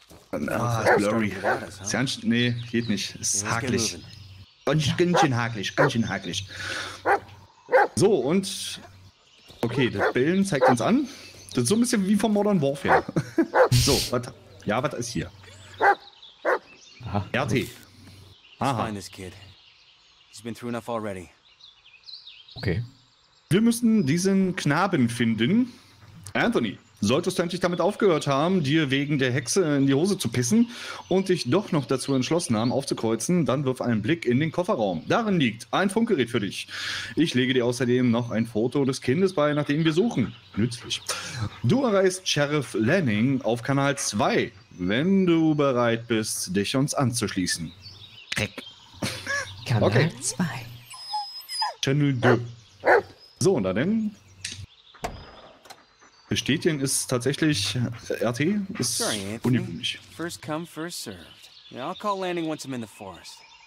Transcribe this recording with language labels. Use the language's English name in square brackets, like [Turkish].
[German] Ah, blurry. Nee, geht nicht. Ist hakelig. Ganz schön hakelig. So, und okay, das Bellen zeigt uns an. Das ist so ein bisschen wie von Modern Warfare. So, was ist hier? Aha. RT. [English] Aha. Find this kid. He's been through enough already. Okay. [German] Wir müssen diesen Knaben finden. Anthony, solltest du endlich damit aufgehört haben, dir wegen der Hexe in die Hose zu pissen und dich doch noch dazu entschlossen haben, aufzukreuzen, dann wirf einen Blick in den Kofferraum. Darin liegt ein Funkgerät für dich. Ich lege dir außerdem noch ein Foto des Kindes bei, nach dem wir suchen. Nützlich. Du erreichst Sheriff Lanning auf Kanal 2, wenn du bereit bist, dich uns anzuschließen. Dreck. Kanal 2. Okay. [English] Channel 2. [German] So, und dann besteht denn ist tatsächlich RT ist ungewöhnlich. [English] First come, first served. Yeah, I'll call Lanning once I'm in the forest.